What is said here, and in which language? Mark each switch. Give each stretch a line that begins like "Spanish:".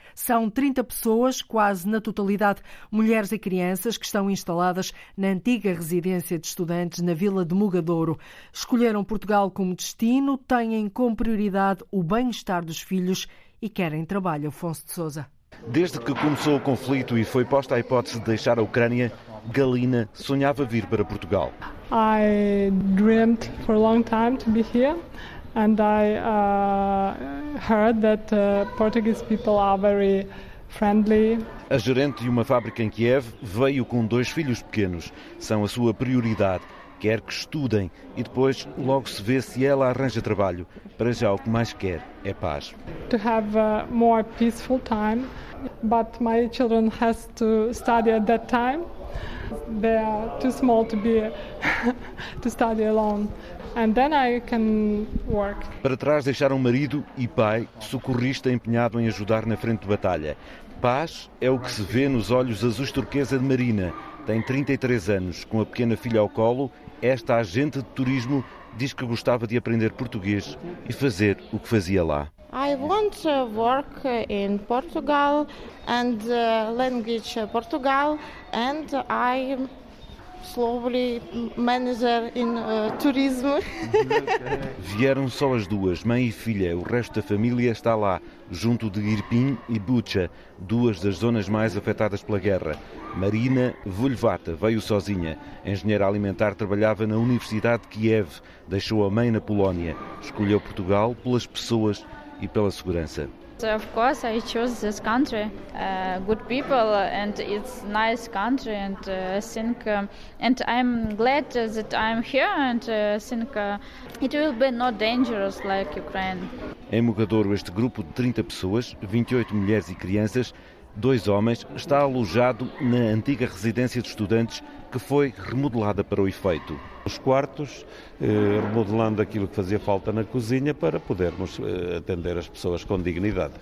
Portuguese: São 30 pessoas, quase na totalidade mulheres e crianças, que estão instaladas na antiga residência de estudantes na Vila de Mugadouro. Escolheram Portugal como destino, têm como prioridade o bem-estar dos filhos e querem trabalho. Afonso de Sousa. Desde que começou o conflito e foi posta a hipótese de deixar a Ucrânia, Galina sonhava vir para Portugal.
English: I dreamed for a long time to be here and I heard that Portuguese people are very friendly.
Portuguese: A gerente de uma fábrica em Kiev veio com 2 filhos pequenos. São a sua prioridade. Quer que estudem e depois logo se vê se ela arranja trabalho. Para já o que mais quer é paz.
English: To have a more peaceful time, but my children has to study at that time. They are too small to be to study alone. And then I can work.
Portuguese: Para trás deixaram marido e pai, socorrista empenhado em ajudar na frente de batalha. Paz é o que se vê nos olhos azuis turquesa de Marina. Tem 33 anos, com a pequena filha ao colo. Esta agente de turismo diz que gostava de aprender português e fazer o que fazia lá.
English: I want to work in Portugal and language Portugal and I slowly manager in tourism.
Portuguese: Vieram só as duas, mãe e filha. O resto da família está lá, junto de Irpin e Bucha, duas das zonas mais afetadas pela guerra. Marina Vulvata veio sozinha. Engenheira alimentar, trabalhava na Universidade de Kiev. Deixou a mãe na Polónia. Escolheu Portugal pelas pessoas e pela segurança.
English: So of course I chose this country, good people and it's nice country and I think and I'm glad that I'm here and I think it will be not dangerous like Ukraine.
Portuguese: Em Mugadouro, este grupo de 30 pessoas, 28 mulheres e crianças, 2 homens, está alojado na antiga residência de estudantes que foi remodelada para o efeito. Os quartos, remodelando aquilo que fazia falta na cozinha para podermos atender as pessoas com dignidade.